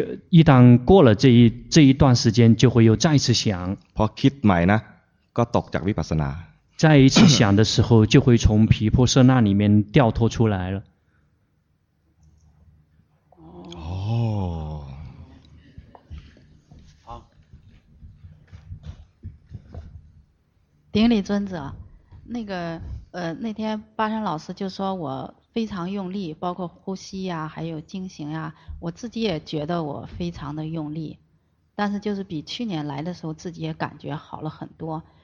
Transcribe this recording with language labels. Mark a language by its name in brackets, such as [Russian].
[Chinese] 一旦过了这一段时间就会又再次想 [Thai] พอคิดใหม่นะก็ตกจากวิปัสสนา [Chinese] 再一次想的时候就会从毗婆舍那里面掉脱出来了顶礼尊者，那个那天巴山老师就说我非常用力，包括呼吸呀、啊，还有精行呀、啊，我自己也觉得我非常的用力，但是就是比去年来的时候自己也感觉好了很多。